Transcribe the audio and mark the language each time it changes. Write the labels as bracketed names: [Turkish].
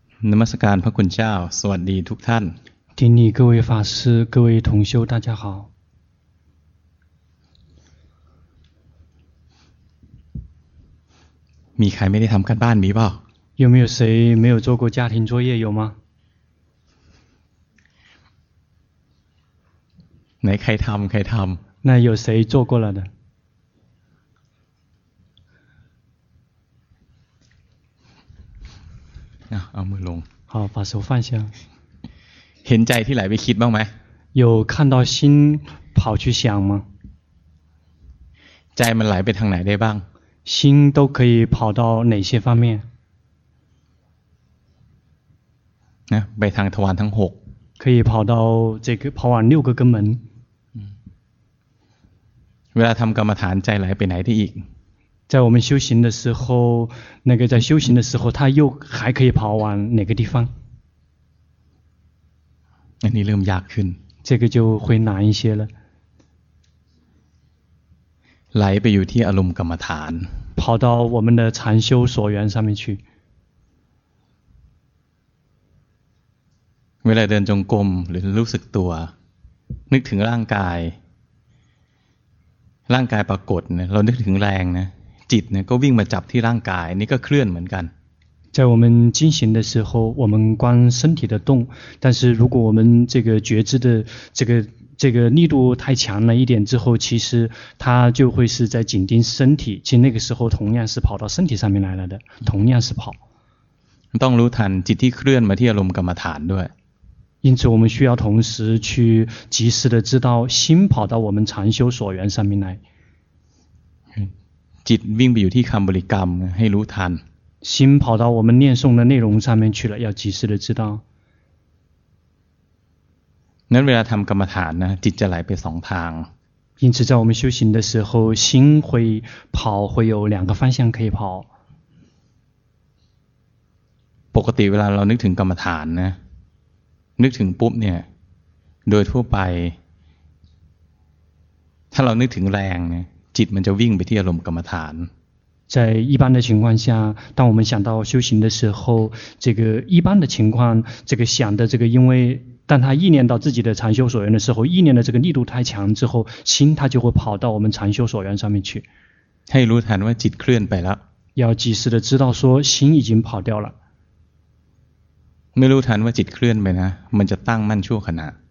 [Thai] นมัสการพระคุณเจ้าสวัสดีทุกท่าน ที่นี่ [Chinese] 各位法师各位同修大家好 [Thai] มีใครไม่ได้ทำการบ้านมีเปล่า [Chinese] 有没有谁没有做过家庭作业有吗 [Thai] ไหนใครทำใครทำ [Chinese] 那有谁做过了的 [Thai] เอามือลง [Chinese] 好把手放下 [Thai] เห็นใจที่ไหลไปคิดบ้างไหม [Chinese] 有看到心跑去想吗 [Thai] ใจมันไหลไปทางไหนได้บ้าง [Chinese] 心都可以跑到哪些方面 [Thai] นะไปทางทวารทั้ง6 [Chinese] 可以跑到这个跑往6个根门 [Thai] เวลาทำกรรมฐานใจไหลไปไหนได้อีก [Chinese] 在我们修行的时候，那个在修行的时候，他又还可以跑往哪个地方？那你认为要去？这个就会难一些了。 [Thai] 来，ไปอยู่ที่อารมณ์กรรมฐาน。 [Chinese] 跑到我们的禅修所缘上面去。 [Thai] เวลาเดินจงกรมหรือรู้สึกตัวนึกถึงร่างกายร่างกายปรากฏเนี่ยเรานึกถึงแรงนะจิตเนี่ยก็วิ่งมาจับที่ร่างกายนี่ก็เคลื่อนเหมือนกัน [Chinese] 在我们进行的时候我们观身体的动但是如果我们这个觉知的这个力度太强了一点之后其实它就会是在紧盯身体其实那个时候同样是跑到身体上面来了的同样是跑 [Thai] ต้องรู้ทันจิตที่เคลื่อนมาที่อารมณ์กรรมฐานด้วย [Chinese] 因此我们需要同时去及时的知道心跑到我们禅修所缘上面来 [Thai] จิตวิ่งไปอยู่ที่คำบริกรรมให้รู้ทัน [Chinese] 心跑到我们念诵的内容上面去了要及时的知道 [Thai] นั้นเวลาทำกรรมฐานนะจิตจะไหลไปสองทาง [Chinese] 因此在我们修行的时候心会跑会有两个方向可以跑 [Thai] ปกติเวลาเรานึกถึงกรรมฐานนะนึกถึงปุ๊บเนี่ยโดยทั่วไปถ้าเรานึกถึงแรงเนี่ยจิตมันจะวิ่งไปที่อารมณ์กรรมฐาน [Chinese] 在一般的情况下当我们想到修行的时候这个一般的情况这个想的这个因为当他意念到自己的禅修所缘的时候意念的这个力度太强之后心他就会跑到我们禅修所缘上面去 [Thai] ให้รู้ทันว่าจิตเคลื่อนไปแล้ว [Chinese] 要及时的知道说心已经跑掉了 [Thai] ไม่รู้ทันว่าจิตเคลื่อนไปนะมันจะตั้งมั่นชั่วขณะ